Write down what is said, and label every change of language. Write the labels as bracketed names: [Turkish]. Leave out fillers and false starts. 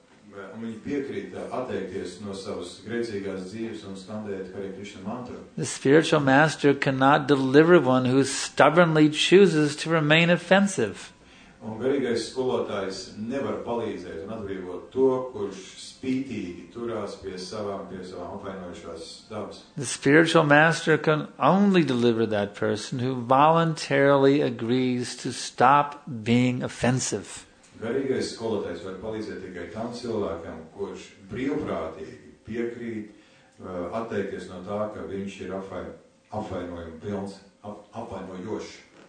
[Latvian] Un viņi piekrīta atteikties no savas grēcīgās dzīves un standēt Hare Krishna mantra. [English] The spiritual master cannot deliver one who stubbornly chooses to remain offensive. [Latvian] Un garīgais skolotājs nevar palīdzēt un atbrīvot to, kurš spītīgi turās pie savām apvainojušās dabas. [English] The spiritual master can only deliver that person who voluntarily agrees to stop being offensive. [Latvian] Garīgais skolotājs var palīdzēt tikai tam cilvēkam, kurš brīvprātīgi piekrīt, atteikties no tā, ka viņš ir apvainojošs.